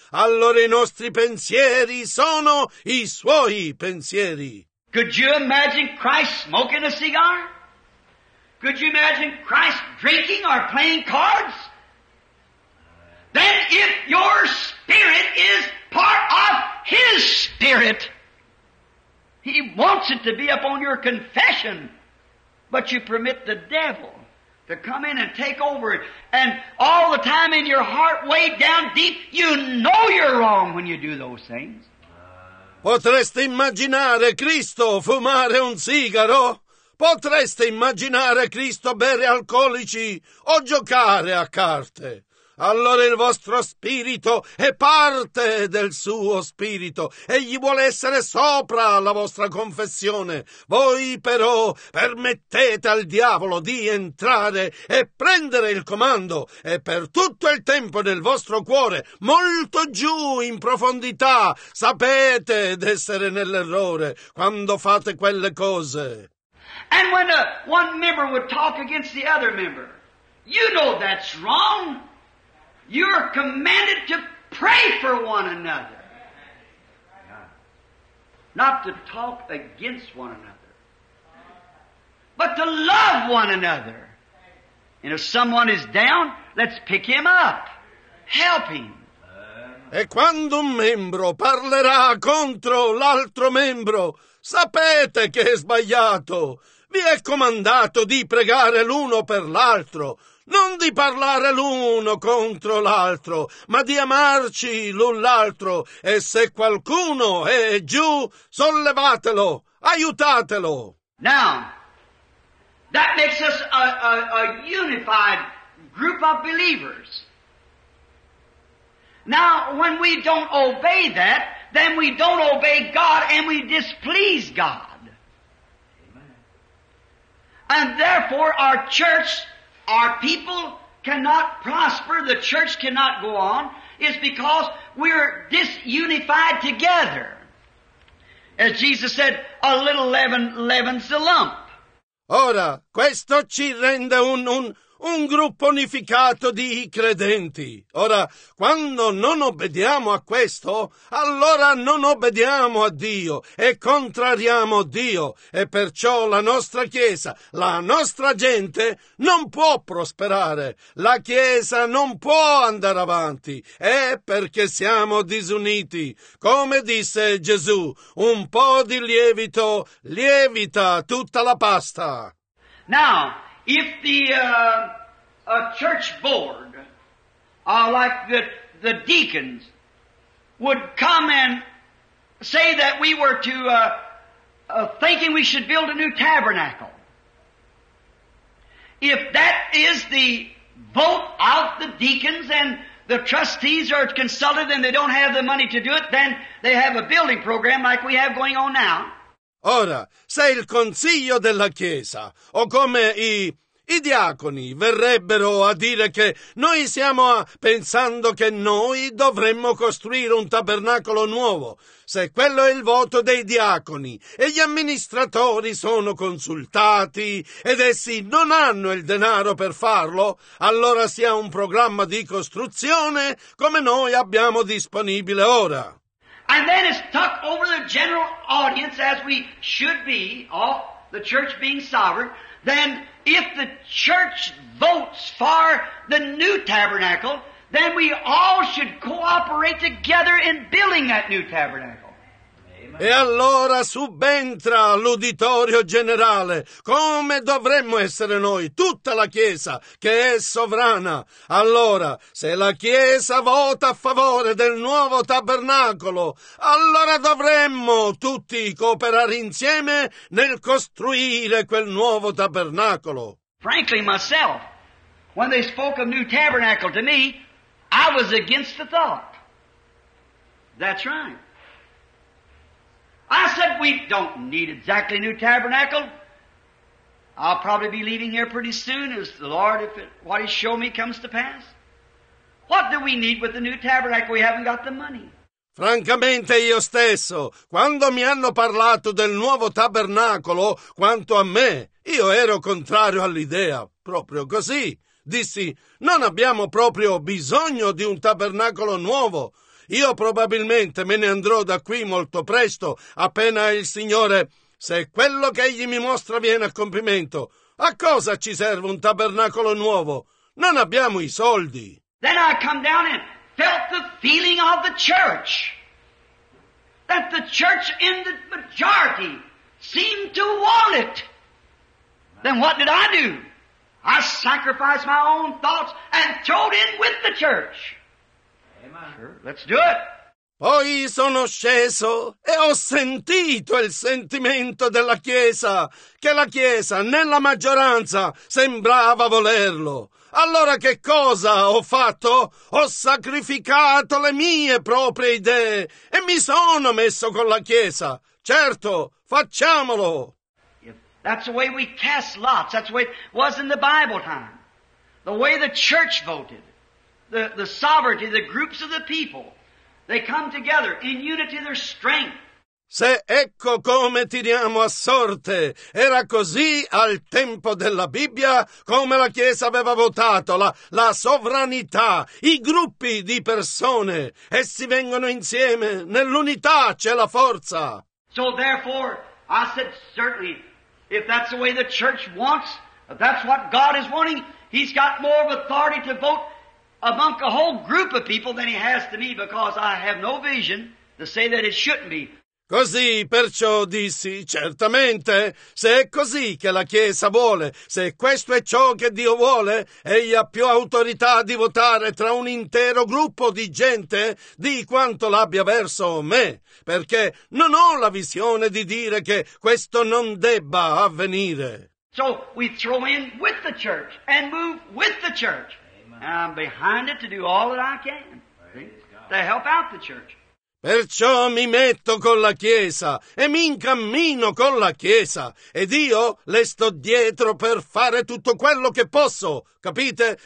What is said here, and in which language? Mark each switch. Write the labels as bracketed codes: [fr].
[it] Allora i nostri pensieri sono i Suoi pensieri. [en] Could you imagine Christ smoking a cigar? Could you imagine Christ drinking or playing cards? Then if your spirit is part of His spirit, He wants it to be upon your confession, but you permit the devil to come in and take over it. And all the time in your heart, way down deep, you know you're wrong when you do those things. [it] Potreste immaginare Cristo fumare un sigaro? Potreste immaginare Cristo bere alcolici o giocare a carte? Allora il vostro spirito è parte del suo spirito. Egli vuole essere sopra la vostra confessione. Voi però permettete al diavolo di entrare e prendere il comando e per tutto il tempo nel vostro cuore, molto giù in profondità, sapete d'essere nell'errore quando fate quelle cose. [en] And when one member would talk against the other member, you know that's wrong. You're commanded to pray for one another. Not to talk against one another, but to love one another. And if someone is down, let's pick him up. Help him. [it] E quando un membro parlerà contro l'altro membro, sapete che è sbagliato. Vi è comandato di pregare l'uno per l'altro, non di parlare l'uno contro l'altro, ma di amarci l'un l'altro. E se qualcuno è giù, sollevatelo, aiutatelo. [en] Now, that makes us a unified group of believers. Now, when we don't obey that, then we don't obey God and we displease God. And therefore, our church, our people cannot prosper, the church cannot go on, is because we're disunified together. As Jesus said, a little leaven leavens the lump. [it] Ora, questo ci rende un gruppo unificato di credenti. Ora, quando non obbediamo a questo, allora non obbediamo a Dio e contrariamo Dio e perciò la nostra Chiesa, la nostra gente, non può prosperare. La Chiesa non può andare avanti. È perché siamo disuniti. Come disse Gesù, un po' di lievito lievita tutta la pasta. [en] Now, if the a church board, like the deacons, would come and say that we were to thinking we should build a new tabernacle, if that is the vote of the deacons and the trustees are consulted and they don't have the money to do it, then they have a building program like we have going on now. [it] Ora, se il consiglio della Chiesa, o come i i diaconi verrebbero a dire che noi siamo pensando che noi dovremmo costruire un tabernacolo nuovo, se quello è il voto dei diaconi e gli amministratori sono consultati ed essi non hanno il denaro per farlo, allora si ha un programma di costruzione come noi abbiamo disponibile ora. [en] And then it's stuck over the general audience as we should be, all the church being sovereign. Then if the church votes for the new tabernacle, then we all should cooperate together in building that new tabernacle. [it] E allora subentra l'uditorio generale, come dovremmo essere noi, tutta la Chiesa che è sovrana. Allora, se la Chiesa vota a favore del nuovo tabernacolo, allora dovremmo tutti cooperare insieme nel costruire quel nuovo tabernacolo. [en] Frankly, myself, when they spoke of new tabernacle to me, I was against the thought. That's right. I said, we don't need exactly a new tabernacle. I'll probably be leaving here pretty soon as the Lord, if it, what He showed me comes to pass. What do we need with the new tabernacle? We haven't got the money. [it] Francamente io stesso, quando mi hanno parlato del nuovo tabernacolo, quanto a me, io ero contrario all'idea, proprio così. Dissi, non abbiamo proprio bisogno di un tabernacolo nuovo. Io probabilmente me ne andrò da qui molto presto, appena il Signore, se quello che Egli mi mostra viene a compimento, a cosa ci serve un tabernacolo nuovo? Non abbiamo i soldi. [en] Then I come down and felt the feeling of the church, that the church in the majority seemed to want it. Then what did I do? I sacrificed my own thoughts and throwed in with the church. Sure. Let's do it. [it] Poi sono sceso e ho sentito il sentimento della Chiesa, che la Chiesa nella maggioranza sembrava volerlo. Allora che cosa ho fatto? Ho sacrificato le mie proprie idee e mi sono messo con la Chiesa. Certo, facciamolo. [en] If that's the way we cast lots. That's the way it was in the Bible time. The way the church voted. The sovereignty, the groups of the people, they come together in unity their strength. [it] Se ecco come tiriamo a sorte, era così al tempo della Bibbia, come la Chiesa aveva votato la sovranità, i gruppi di persone, essi vengono insieme, nell'unità c'è la forza. [en] So therefore, I said, certainly, if that's the way the church wants, if that's what God is wanting, He's got more of authority to vote among a whole group of people than he has to me, because I have no vision to say that it shouldn't be. [it] Così, perciò dissi, certamente, se è così che la Chiesa vuole, se questo è ciò che Dio vuole, egli ha più autorità di votare tra un intero gruppo di gente di quanto l'abbia verso me, perché non ho la visione di dire che questo non debba avvenire. [en] So we throw in with the church and move with the church. And I'm behind it to do all that I can, see, to help out the church. [it] Perciò mi metto con la Chiesa e mi incammino con la Chiesa, ed io le sto dietro per fare tutto quello che posso, capite?